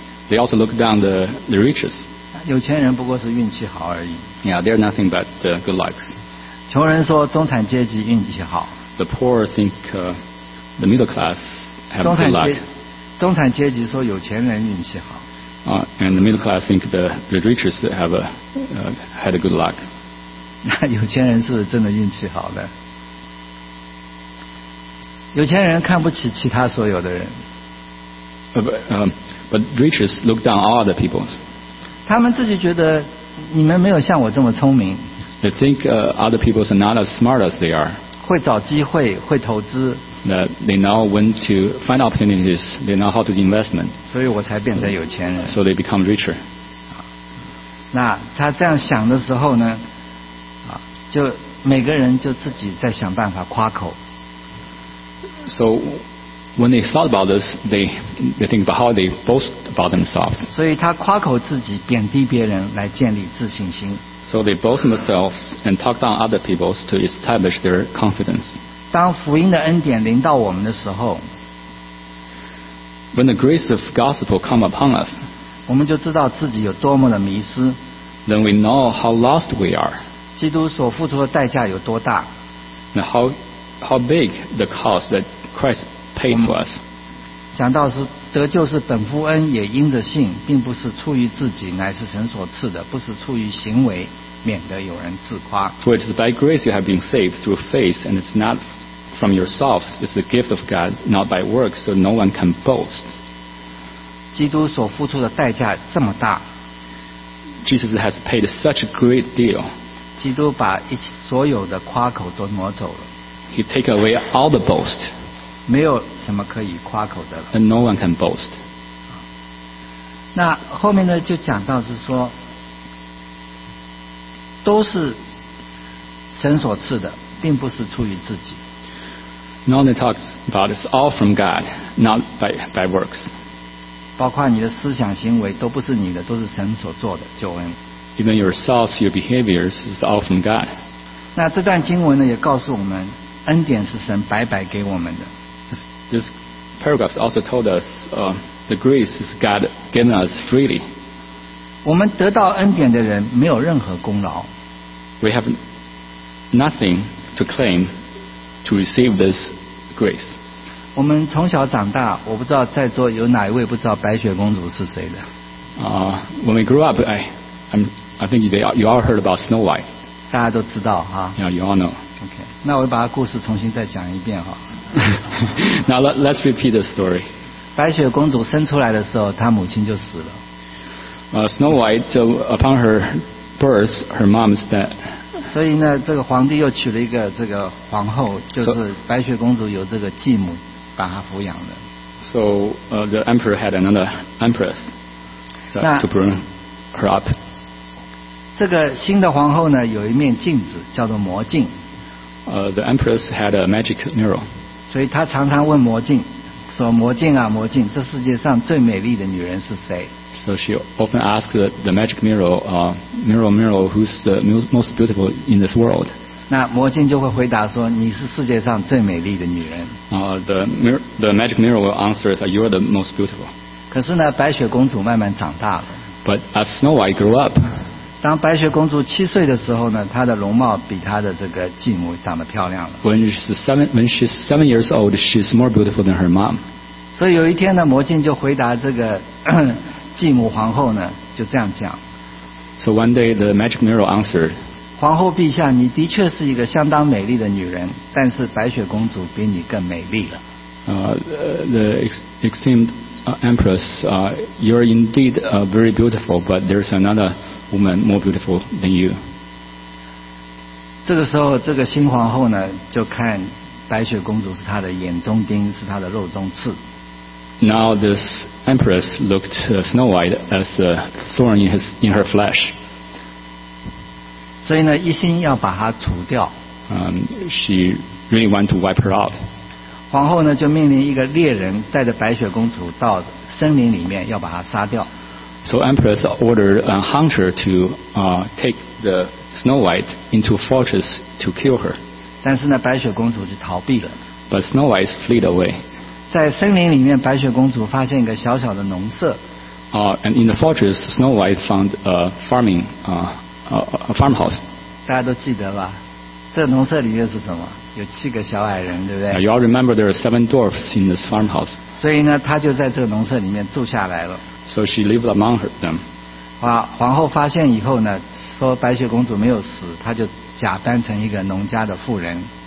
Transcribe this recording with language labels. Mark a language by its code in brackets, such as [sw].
[en] They also look down the riches. [zh] 有钱人不过是运气好而已。 [en] Yeah, they're nothing but good luck. [zh] 穷人说中产阶级运气好。 [en] The poor think the middle class have good luck. [zh] 中产阶级说有钱人运气好。 [en] And the middle class think the riches have had a good luck. [zh] 那有钱人是不是真的运气好呢？有钱人看不起其他所有的人。 [en] But riches look down all other people. [zh] 他们自己觉得你们没有像我这么聪明。 [en] They think other people are not as smart as they are. [zh] 会找机会，会投资。 [en] That they know when to find opportunities. They know how to do investment. [zh] 所以我才变成有钱人。 [en] So they become richer. [zh] 那他这样想的时候呢，就每个人就自己在想办法夸口。 [en] So when they thought about this, they think about how they boast about themselves. [zh] 所以他夸口自己，贬低别人来建立自信心。 [en] So they boast themselves and talk down other people to establish their confidence. [zh] 当福音的恩典临到我们的时候 [en] ，When the grace of gospel come upon us， [zh] 我们就知道自己有多么的迷失。 [en] Then we know how lost we are。 [zh] 基督所付出的代价有多大 [en] ？And how big the cost that Christ paid for us？ [zh] 讲到是得救是本乎恩，也因着信，并不是出于自己，乃是神所赐的，不是出于行为。免得有人自夸。 [en] So it is by grace you have been saved through faith, and it's not from yourselves. It's the gift of God, not by works, so no one can boast. [zh] 基督所付出的代价这么大。 [en] Jesus has paid such a great deal. [zh] 基督把所有的夸口都挪走了。 [en] He take away all the boast. [zh] 没有什么可以夸口的了。 [en] And no one can boast. [zh] 那后面呢，就讲到是说。都是神所赐的，并不是出于自己。 [en] Now they talk about it's all from God, not by works. [zh] 包括你的思想行为都不是你的，都是神所做的救恩。 [en] Even your thoughts, your behaviors is all from God. [zh] 那这段经文呢，也告诉我们，恩典是神白白给我们的。 [en] This paragraph also told us, the grace is God given us freely. [zh] 我们得到恩典的人没有任何功劳。 [en] We have nothing to claim to receive this grace. [zh] 我们从小长大，我不知道在座有哪一位不知道白雪公主是谁的。 [en] When we grew up, I think you all heard about Snow White. [zh] 大家都知道哈。 [en] Yeah, you all know. Okay. [zh] 那我把故事重新再讲一遍哈。 [en] Now let's repeat the story. [zh] 白雪公主生出来的时候，她母亲就死了。 [en] Snow White, upon her birth, her mom's dead. [zh] 所以呢，这个皇帝又娶了一个这个皇后，就是白雪公主有这个继母把她抚养的。 [en] So the emperor had another empress to bring her up. [zh] 这个新的皇后呢，有一面镜子，叫做魔镜。 [en] The empress had a magic mirror. [zh] 所以她常常问魔镜，说魔镜啊，魔镜，这世界上最美丽的女人是谁？ [en] So she often asked the magic mirror, mirror, who's the most beautiful in this world? [zh] 那魔镜就会回答说，你是世界上最美丽的女人。 [en] The magic mirror will answer that you are the most beautiful. [zh] 可是呢，白雪公主慢慢长大了。 [en] But as Snow White grew up, [zh] 当白雪公主七岁的时候呢，她的容貌比她的这个继母长得漂亮了。 [en] When she's seven years old, she's more beautiful than her mom. [zh] 所以有一天呢，魔镜就回答这个。继母皇后呢就这样讲。 [en] So one day the magic mirror answered. [zh] 皇后陛下，你的确是一个相当美丽的女人，但是白雪公主比你更美丽了。 [en] The esteemed empress, you're indeed very beautiful, but there's another woman more beautiful than you. [zh] 这个时候，这个新皇后呢就看白雪公主是她的眼中钉，是她的肉中刺。 [en] Now this empress looked Snow White as a thorn in her flesh. [zh] 所以呢，一心要把她除掉。 [en] She really wanted to wipe her out. [zh] 皇后呢，就命令一个猎人带着白雪公主到森林里面，要把她杀掉。 [en] So empress ordered a hunter to take the Snow White into a fortress to kill her. [zh] 但是呢，白雪公主就逃避了。 [en] But Snow White fled away. [zh] 在森林里面，白雪公主发现一个小小的农舍。 [en] And in the fortress, Snow White found a farmhouse. [zh] 大家都记得吧？这个农舍里面是什么？有七个小矮人，对不对 [en] ？You all remember there are seven dwarfs in this farmhouse. [zh] 所以呢，她就在这个农舍里面住下来了。 [en] So she lived among them. [zh] 皇后发现以后呢，说白雪公主没有死，她就假扮成一个农家的妇人。